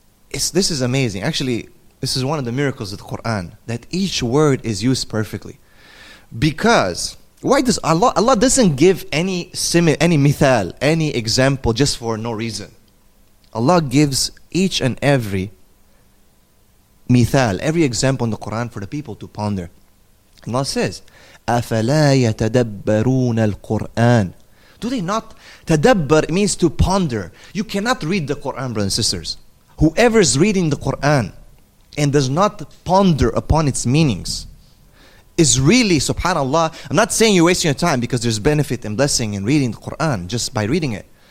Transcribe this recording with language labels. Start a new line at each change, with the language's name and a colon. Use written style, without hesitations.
English: This is amazing. Actually, this is one of the miracles of the Quran, that each word is used perfectly. Because why does Allah doesn't give any simile, any mithal, any example just for no reason. Allah gives each and every mithal, every example in the Quran for the people to ponder. Allah says,
Arabic: أَفَلَا يَتَدَبَّرُونَ الْقُرْآنَ.
English: Do they not? تَدَبَّر means to ponder. You cannot read the Quran, brothers and sisters. Whoever is reading the Quran and does not ponder upon its meanings is really, subhanAllah, I'm not saying you're wasting your time, because there's benefit and blessing in reading the Quran just by reading it.